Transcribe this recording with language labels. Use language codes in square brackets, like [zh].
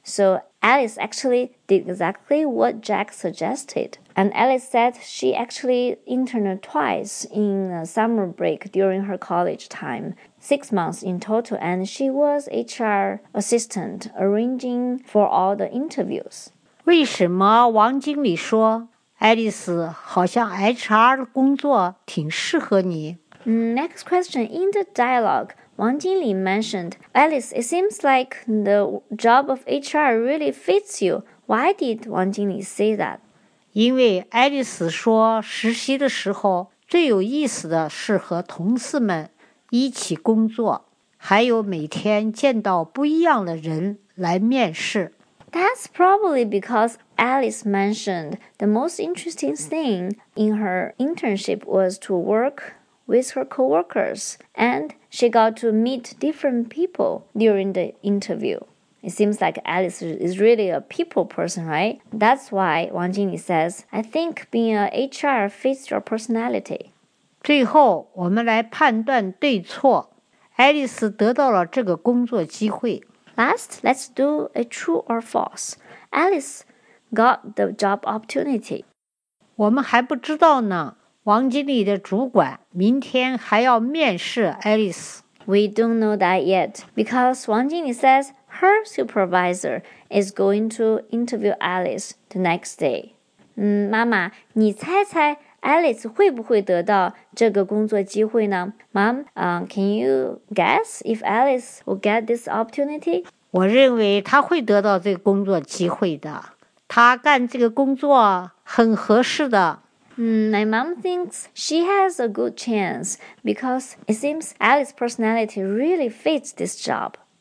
[en] So Alice actually did exactly what Jack suggested. And Alice said she actually interned twice in a summer break during her college time. 6 months in total, and she was HR assistant arranging for all the interviews. [zh] 为什么王经理说爱丽丝好像 HR 工作挺适合你？ [en] Next question. In the dialogue, 王经理 mentioned, Alice, it seems like the job of HR really fits you. Why did 王经理 say that? [zh] 因为爱丽丝说实习的时候最有意思的是和同事们一起工作，还有每天见到不一样的人来面试。 [en] That's probably because Alice mentioned the most interesting thing in her internship was to work with her coworkers, and she got to meet different people during the interview. It seems like Alice is really a people person, right? That's why Wang Jingli says, I think being a HR fits your personality. [zh] 最后我们来判断对错。爱丽丝得到了这个工作机会。 [en] Last, let's do a true or false. Alice got the job opportunity. [zh] 我们还不知道呢。王经理的主管明天还要面试爱丽丝。 [en] We don't know that yet. Because 王经理 says her supervisor is going to interview Alice the next day. [zh] 妈妈，你猜猜Alice 会不会得到这个工作机会呢 ？ Mom, can you guess if Alice will get this opportunity? 我认为她会得到这个工作机会的。她干这个工作很合适的。 [en] My mom thinks she has a good chance because it seems Alice's personality really fits this job.